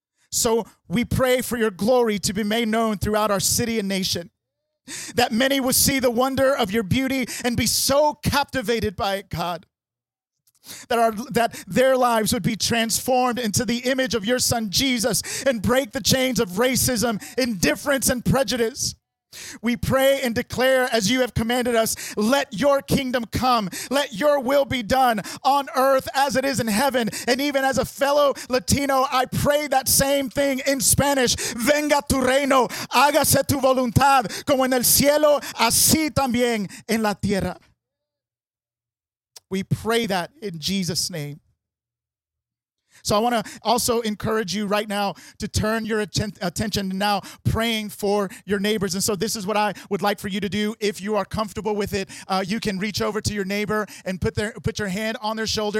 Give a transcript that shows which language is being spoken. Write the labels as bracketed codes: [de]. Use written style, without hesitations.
[en] So we pray for your glory to be made known throughout our city and nation, that many will see the wonder of your beauty and be so captivated by it, God, that their lives would be transformed into the image of your son, Jesus, and break the chains of racism, indifference, and prejudice, We pray and declare as you have commanded us, let your kingdom come. Let your will be done on earth as it is in heaven. And even as a fellow Latino, I pray that same thing in Spanish. [es] Venga tu reino, hágase tu voluntad, como en el cielo, así también en la tierra. [en] We pray that in Jesus' name. So I want to also encourage you right now to turn your attention to now praying for your neighbors. And so this is what I would like for you to do. If you are comfortable with it, you can reach over to your neighbor and put your hand on their shoulder.